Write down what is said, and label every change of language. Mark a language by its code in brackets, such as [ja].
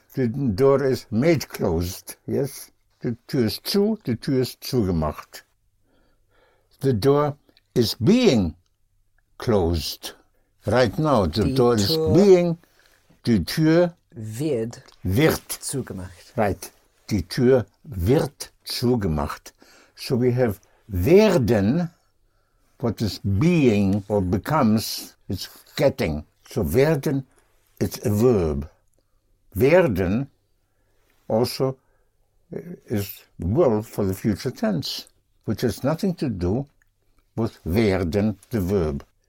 [en] The door is made closed, yes? [de] The Tür ist zu, the Tür ist zugemacht. [en] The door is being closed. Right now, [de] die Tür wird zugemacht. Right, die Tür wird zugemacht. [en] So we have werden, what is being or becomes, it's getting. So werden, it's a verb. Werden also is will for the future tense, which has nothing to do with werden, the verb.